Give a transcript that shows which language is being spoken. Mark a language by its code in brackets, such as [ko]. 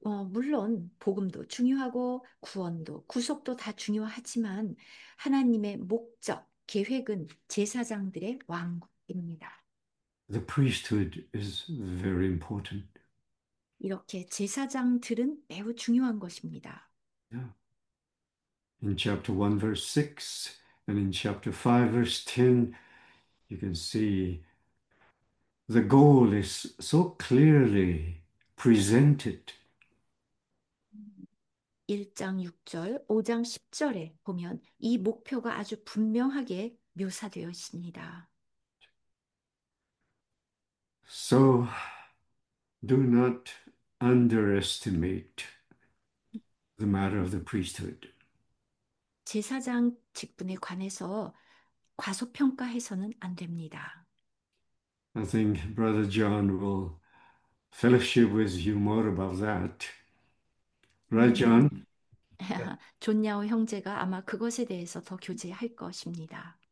[ko] 물론 복음도 중요하고 구원도 구속도 다 중요하지만 하나님의 목적, 계획은 제사장들의 왕국입니다. [en] The priesthood is very important. [ko] 이렇게 제사장들은 매우 중요한 것입니다. [en] In chapter 1, verse 6, and in chapter 5, verse 10, you can see the goal is so clearly presented. [ko] 1장 6절, 5장 10절에 보면 이 목표가 아주 분명하게 묘사되어 있습니다. [en] So, do not underestimate the matter of the priesthood. [ko] 제사장 직분에 관해서 과소평가해서는 안 됩니다. [en] I think Brother John will fellowship with you more about that. Right, John? [ko] 존 야오 형제가 아마 그것에 대해서 더 교제할 것입니다.